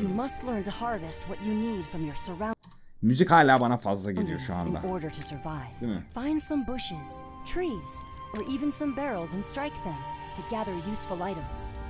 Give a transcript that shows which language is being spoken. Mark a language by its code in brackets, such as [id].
[en] You must learn to harvest what you need from your surroundings. [tr] Müzik hala bana fazla geliyor şu anda. Değil mi? [en] Find some bushes, trees, or even some barrels and strike them to gather useful items.